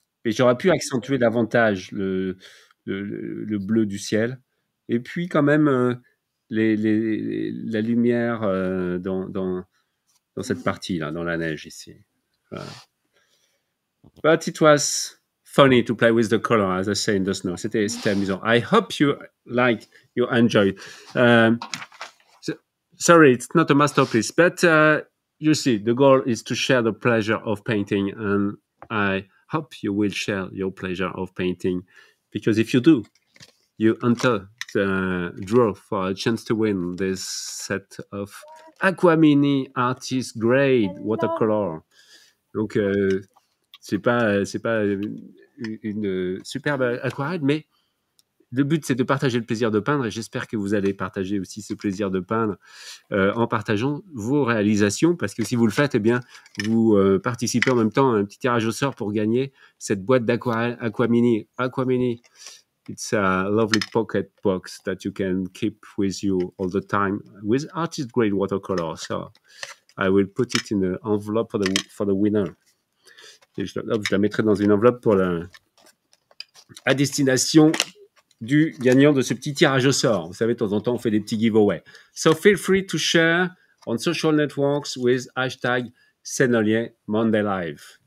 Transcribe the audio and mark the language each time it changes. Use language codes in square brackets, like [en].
[fr] Et j'aurais pu accentuer davantage le bleu du ciel. Et puis quand même la lumière dans cette partie là, dans la neige ici. Voilà. [en] But it was funny to play with the color, as I say in the snow. [fr] C'était amusant. [en] I hope you like, you enjoy. Sorry, it's not a masterpiece, but you see, the goal is to share the pleasure of painting, and I hope you will share your pleasure of painting, because if you do, you enter the draw for a chance to win this set of Aquamini Artist Grade watercolor. [fr] Donc, c'est pas une superbe aquarelle, mais Le but, c'est de partager le plaisir de peindre et j'espère que vous allez partager aussi ce plaisir de peindre en partageant vos réalisations parce que si vous le faites, eh bien, vous participez en même temps à un petit tirage au sort pour gagner cette boîte d'aquarelle Aquamini. [en] Aquamini, it's a lovely pocket box that you can keep with you all the time with artist-grade watercolor. So I will put it in an envelope for the winner. [fr] Et je la mettrai dans une enveloppe pour à destination du gagnant de ce petit tirage au sort. Vous savez, de temps en temps, on fait des petits giveaways. [en] So feel free to share on social networks with hashtag Sennelier Monday Live.